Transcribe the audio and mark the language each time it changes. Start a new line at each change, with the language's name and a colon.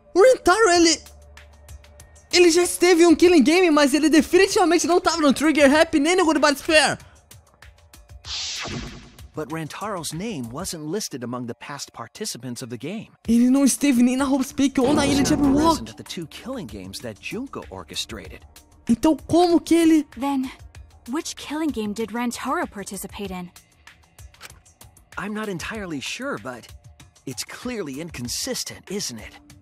Portuguese: O Rentaro, ele já esteve em um killing game, mas ele definitivamente não estava no Trigger Happy nem no Goodbye Despair.
English: But Rantaro's name wasn't listed among the past participants of the game.
Portuguese: Ele não esteve nem na Hope's Peak ou na Ilha de Jabberwock.
English: The two killing games that Junko orchestrated.
Portuguese: Então como que ele...
English: Then, which killing game did Rantaro participate in? I'm not entirely sure, but it's clearly inconsistent, isn't it?